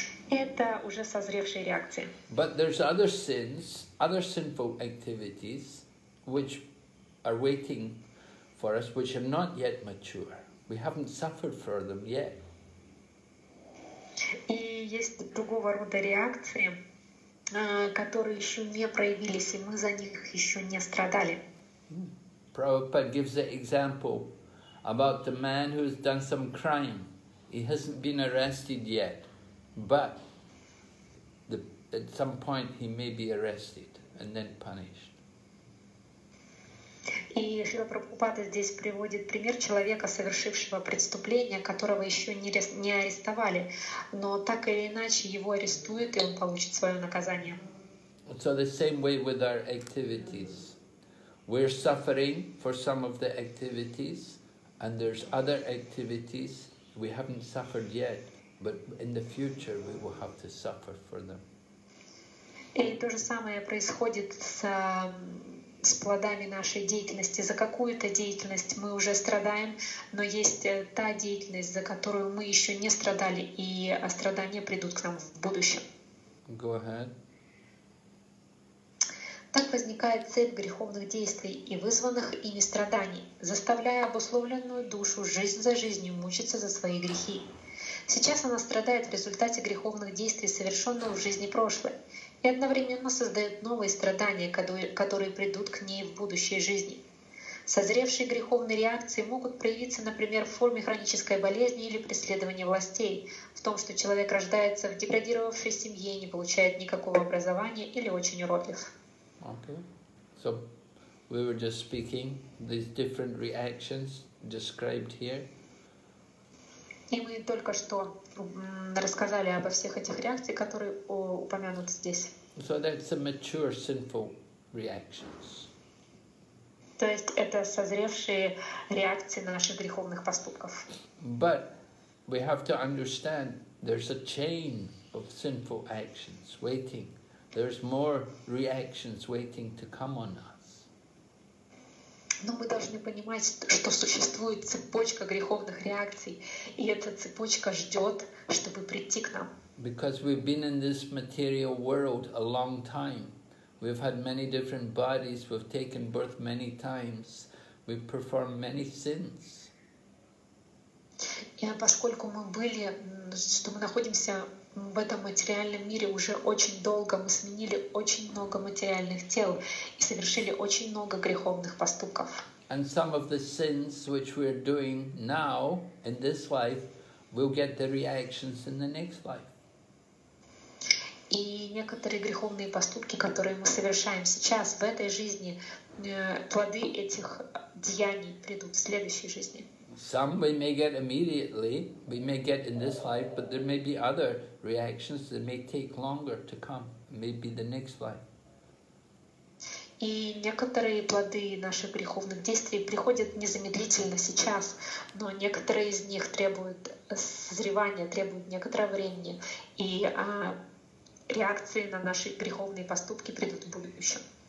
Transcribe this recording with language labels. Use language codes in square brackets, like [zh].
[ru] Это уже созревшие реакции. [en] But there's other sins, other sinful activities, which are waiting for us, which are not yet mature. We haven't suffered for them yet. [ru] И есть другого рода реакции, которые еще не проявились, и мы за них еще не страдали. [en] Prabhupada gives the example about the man who has done some crime. He hasn't been arrested yet, but at some point he may be arrested and then punished. [ru] И Шрила Прабхупада здесь приводит пример человека, совершившего преступление, которого еще не арестовали, но так или иначе его арестуют, и он получит свое наказание. [en] So the same way with our activities. We're suffering for some of the activities, and there's other activities we haven't suffered yet, but in the future we will have to suffer for them. [ru] И то же самое происходит с плодами нашей деятельности. За какую-то деятельность мы уже страдаем, но есть та деятельность, за которую мы еще не страдали, и страдания придут к нам в будущем. [en] Go ahead. [ru] Так возникает цепь греховных действий и вызванных ими страданий, заставляя обусловленную душу жизнь за жизнью мучиться за свои грехи. Сейчас она страдает в результате греховных действий, совершенных в жизни прошлой, и одновременно создает новые страдания, которые придут к ней в будущей жизни. Созревшие греховные реакции могут проявиться, например, в форме хронической болезни или преследования властей, в том, что человек рождается в деградировавшей семье, не получает никакого образования или очень уродлив. [en] Okay. So we were just speaking these different reactions described here. [ru] И мы только что рассказали обо всех этих реакциях, которые упомянуты здесь. [en] So that's the mature sinful reactions. [ru] То есть это созревшие реакции на наших греховных поступков. [en] But we have to understand there's a chain of sinful actions waiting. There's more reactions waiting to come on us. [ru] Но мы должны понимать, что существует цепочка греховных реакций, и эта цепочка ждет, чтобы прийти к нам. [en] Because we've been in this material world a long time. We've had many different bodies, we've taken birth many times, we've performed many sins. [ru] И поскольку мы были, что мы находимся в этом материальном мире уже очень долго, мы сменили очень много материальных тел и совершили очень много греховных поступков. [en] And some of the sins which we are doing now in this life, we'll get the reactions in the next life. [ru] И некоторые греховные поступки, которые мы совершаем сейчас в этой жизни, плоды этих деяний придут в следующей жизни. [en] Some we may get immediately, we may get in this life, but there may be other reactions that may take longer to come, maybe the next life. [ru] И некоторые плоды наших греховных действий приходят незамедлительно сейчас, но некоторые из них требуют созревания, требуют некоторого времени, и реакции на наши греховные поступки придут в будущем.